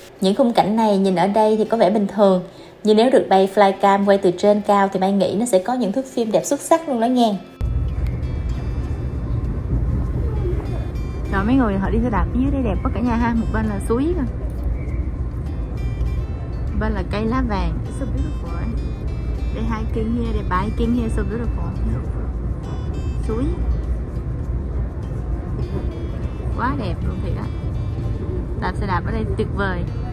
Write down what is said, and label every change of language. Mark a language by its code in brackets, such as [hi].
[vi] Những khung cảnh này nhìn ở đây thì có vẻ bình thường, nhưng nếu được bay flycam quay từ trên cao thì Mai nghĩ nó sẽ có những thước phim đẹp xuất sắc luôn đó nha. Rồi mấy người họ đi xe đạp phía dưới đây đẹp quá cả nhà ha, một bên là suối nè, bên là cây lá vàng. [en] It's so beautiful. They hiking here, they biking here, so beautiful. [vi] Suối quá đẹp luôn thiệt á, đạp xe đạp ở đây tuyệt vời.